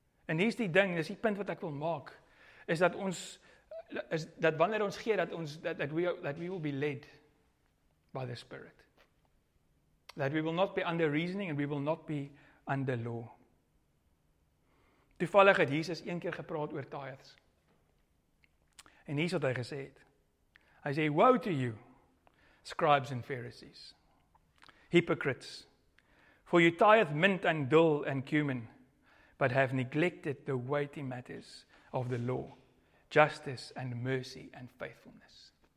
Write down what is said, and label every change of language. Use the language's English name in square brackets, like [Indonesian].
[Afrikaans] En hier is die ding, dis die punt wat ek wil maak, is dat ons, is dat wanneer ons gee, [English] that we will be led by the Spirit. That we will not be under reasoning, and we will not be under law. [Afrikaans] Toevallig het Jesus een keer gepraat oor tithes. En hier is wat hy gesê het. Hy sê, [English] woe to you, scribes and Pharisees, hypocrites, for you tithe mint and dill and cumin, but have neglected the weighty matters of the law, justice and mercy and faithfulness.